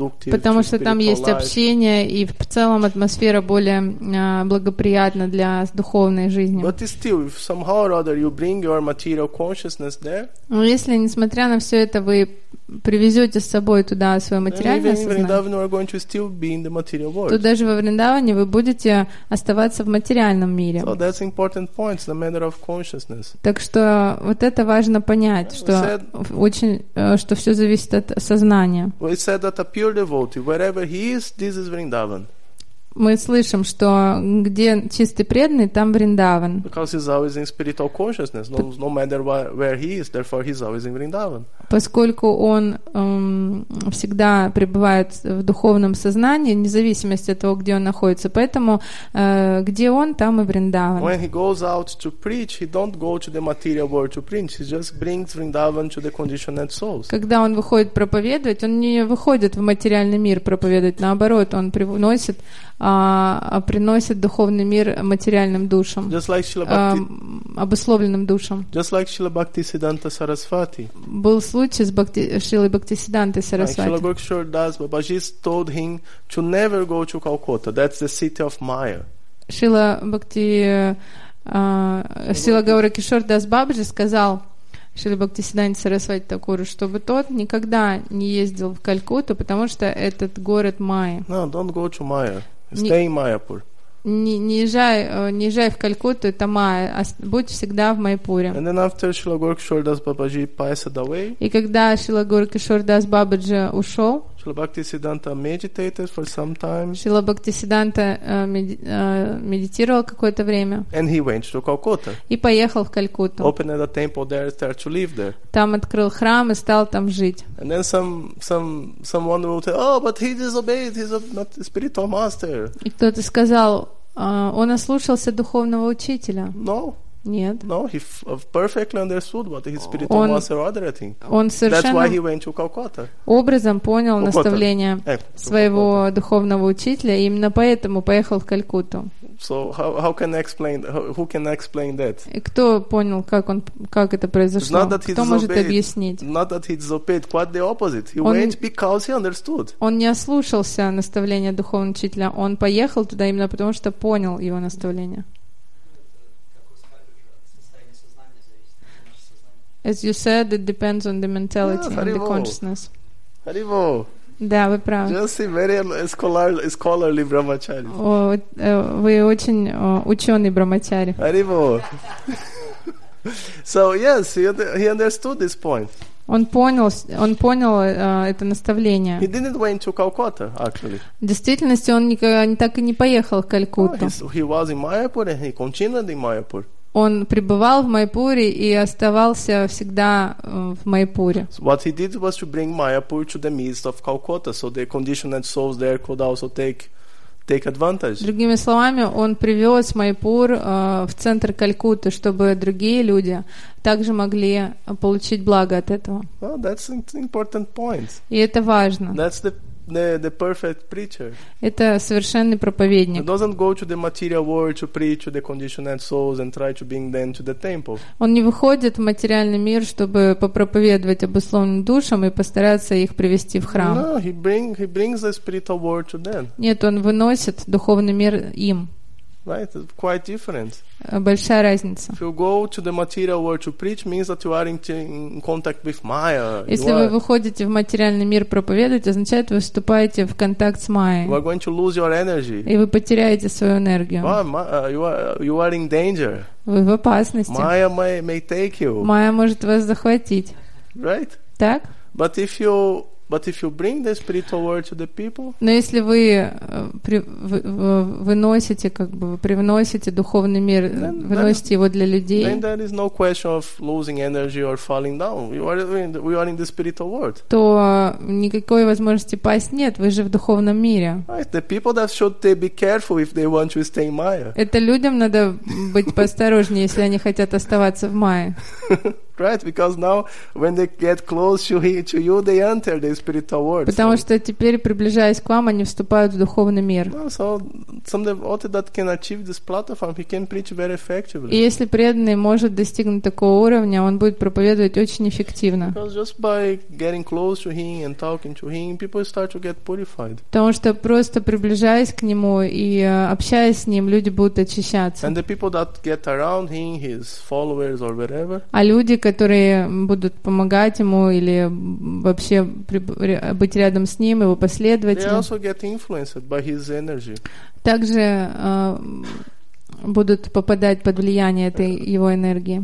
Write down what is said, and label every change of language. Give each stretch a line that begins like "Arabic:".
Russian: Потому что там есть общение, и в целом атмосфера более благоприятна для духовной жизни.
English: But still, if somehow or other you bring your material consciousness there.
Russian: Но если, несмотря на все это, вы привезете с собой туда свое материальное сознание, то даже во Вриндаване вы будете оставаться в материальном мире.
English: So that's important point, the matter of consciousness.
Russian: Так что вот это важно понять, что
English: said,
Russian: очень, что все зависит от сознания.
English: We said that a pure devotee, wherever he is, this is Vrindavan.
Russian: Мы слышим, что где чистый преданный, там Вриндаван.
English: Because he's always in spiritual consciousness, no matter where he is, therefore he's always in Vrindavan.
Russian: Поскольку он всегда пребывает в духовном сознании, вне зависимости от того, где он находится, поэтому где он, там и Вриндаван.
English: When he goes out to preach, he don't go to the material world to preach. He just brings Vrindavan to the conditioned souls.
Russian: Когда он выходит проповедовать, он не выходит в материальный мир проповедовать, наоборот, он приносит приносит духовный мир материальным душам, обусловленным душам.
English: Just like Srila Bhaktisiddhanta Sarasvati.
Russian: Был случай с Шрилой Бхактисиддантой Сарасвати.
English: Srila Gokshar Das Babaji told him to never go to Calcutta. That's the city of Maya.
Russian: Srila Bhakti Srila Gaurakishore Das Babaji сказал Шрила Бхактисиддханте Сарасвати Такуру, чтобы тот никогда не ездил в Калькутту, потому что этот город Майя.
English: No, don't go to Maya. Stay in Mayapur.
Russian: Не езжай в Калькутту, это Майя, а будь всегда в Майпуре.
English: And then after Srila Gaurakishore Das Babaji passed away.
Russian: И когда Шрила Гаурикишор Дас Бабаджи ушел.
English: Srila Bhaktisiddhanta meditated for some time.
Russian: Шрила Бхактисиддханта медитировал какое-то время.
English: And he went to Calcutta.
Russian: И поехал в Калькутту.
English: Opened a temple there, started to live there.
Russian: Там открыл храм и стал там жить.
English: And then someone will say, oh, but he disobeyed, he's a spiritual master.
Russian: И кто-то сказал, он ослушался духовного учителя.
English: No.
Russian: Нет.
English: No, he perfectly understood what his spiritual master ordered him.
Russian: Он совершенно.
English: That's why he went to Calcutta.
Russian: Образом понял наставление своего духовного учителя, и именно поэтому поехал в Калькутту.
English: So how can I explain? Who can explain that?
Russian: Кто понял, как это произошло? Кто может объяснить?
English: Not that he disobeyed. Quite the opposite. He went because he understood.
Russian: Он не ослушался наставления духовного учителя. Он поехал туда именно потому, что понял его наставление.
English: As you said, it depends on the mentality and the consciousness. Haribo.
Russian: Да, вы правы.
English: Just a very scholarly brahmachari.
Russian: Вы очень ученый брахмачари.
English: Haribo. So yes, he understood this point.
Russian: Он понял это наставление.
English: He didn't went to Calcutta, actually.
Russian: В действительности он так и не поехал в Калькутту.
English: He was in Mayapur and he continued in Mayapur.
Russian: Он пребывал в Майпуре и оставался всегда в Майпуре.
English: What he did was to bring Mayapur to the midst of Calcutta, so the conditioned souls there could also take advantage.
Russian: Другими словами, он привез Майпур в центр Калькутты, чтобы другие люди также могли получить благо от этого.
English: Well, that's an important point.
Russian: И это важно.
English: That's the perfect preacher.
Russian: Это совершенный проповедник.
English: He doesn't go to the material world to preach to the conditioned souls and try to bring them to the temple.
Russian: Он не выходит в материальный мир, чтобы попроповедовать обусловленным душам и постараться их привести в храм.
English: No, he brings the spiritual world to them.
Russian: Нет, он выносит духовный мир им.
English: Right, it's quite different.
Russian: Большая разница.
English: If you go to the material world to preach, means that you are in contact with Maya.
Russian: Если вы выходите в материальный мир проповедовать, означает, вы вступаете в контакт с Майей.
English: You are going to lose your energy.
Russian: И вы потеряете свою энергию.
English: You are in danger.
Russian: Вы в опасности.
English: Maya may take you.
Russian: Майя может вас захватить.
English: Right?
Russian: Так?
English: But if you bring the spiritual world to the people.
Russian: Но если вы выносите, как бы привносите духовный мир, выносите его для людей.
English: Then there is no question of losing energy or falling down. We are in the spiritual world.
Russian: То никакой возможности пасть нет, вы же в духовном мире.
English: Right. The people that should be careful if they want to stay in Maya.
Russian: Это людям надо быть поосторожнее, если они хотят оставаться в Майе.
English: right? Because now when they get close to him, to you, they enter the spiritual world.
Russian: Потому что теперь приближаясь к вам, они вступают в духовный мир.
English: So some devotee that can achieve this platform, he can preach very effectively.
Russian: И если преданный может достигнуть такого уровня, он будет проповедовать очень эффективно.
English: Because just by getting close to him and talking to him, people start to get purified.
Russian: Потому что просто приближаясь к нему и общаясь с ним, люди будут очищаться.
English: And the people that get around him, his followers or whatever.
Russian: А люди, которые будут помогать ему или вообще быть рядом с ним, его последователи.
English: They also get influenced by his energy.
Russian: Также будут попадать под влияние этой его энергии.